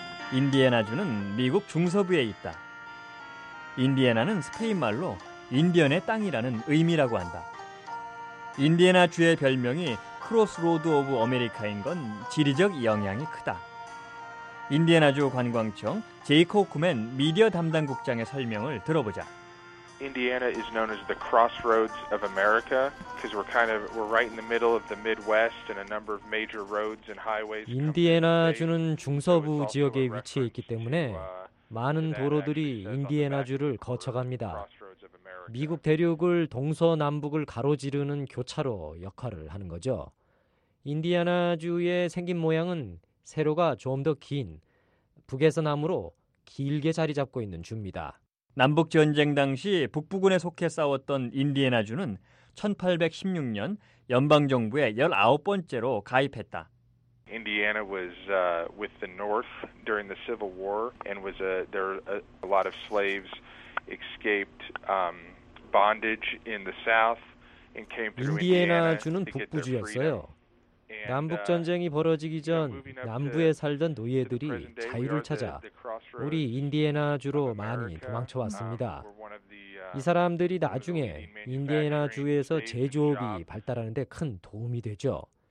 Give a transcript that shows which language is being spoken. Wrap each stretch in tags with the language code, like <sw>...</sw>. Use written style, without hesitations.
<ko>인디애나주는 미국 중서부에 있다. 인디애나는 스페인 말로 인디언의 땅이라는 의미라고 한다. 인디애나 주의 별명이 크로스로드 오브 아메리카인 건 지리적 영향이 크다. 인디애나주 관광청 제이코 쿠맨 미디어 담당국장의 설명을 들어보자.</ko> <en>Indiana is known as the crossroads of America because we're kind of we're right in the middle of the Midwest and a number of major roads and highways.</en> <ko>인디애나주는 중서부 지역에 위치해 있기 때문에 많은 도로들이 인디애나주를 거쳐갑니다. 미국 대륙을 동서남북을 가로지르는 교차로 역할을 하는 거죠. 인디애나주의 생긴 모양은 세로가 좀 더 긴 북에서 남으로 길게 자리 잡고 있는 주입니다. 남북전쟁 당시 북부군에 속해 싸웠던 인디애나주는 1816년 연방정부의 19번째로 가입했다.</ko> <en>Indiana was with the North during the Civil War and was a lot of slaves escaped bondage in the South and came to Indiana.</en> <ko>인디애나주는 북부 지였어요. 남북 전쟁이 벌어지기 전 남부에 살던 노예들이 자유를 찾아 우리 인디애나주로 많이 도망쳐 왔습니다. 이 사람들이 나중에 인디애나주에서 제조업이 발달하는 데 큰 도움이 되죠.</ko>